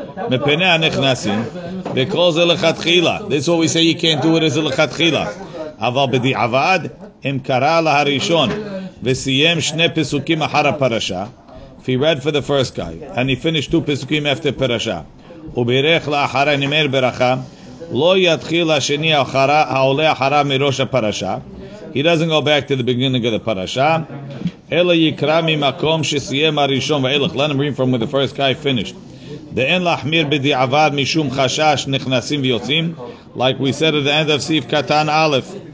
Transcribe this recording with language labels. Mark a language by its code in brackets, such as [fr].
[he] מפני הנכנסים, וכל זה לכתחילה. [en] That's what we say, you can't do it as a לכתחילה. [he] אבל בדיעבד, אם קרא להראשון, וסיים שני פסוקים אחר הפרשה, [en] if he read for the first guy, and he finished two פסוקים after פרשה, [he] וברך לאחר הנמר ברכה, לא יתחיל השני אחרה, העולה אחרה מראש הפרשה, [en] he doesn't go back to the beginning of the parasha. [he] Ela yikra mimakom shesiyem arishon ve'elach. [en] Let him read from where the first guy finished. [he] De'en lachmir b'di'avad mishum chashash nechnasim v'yotzim. [en] Like we said at the end of Sif Katan Aleph.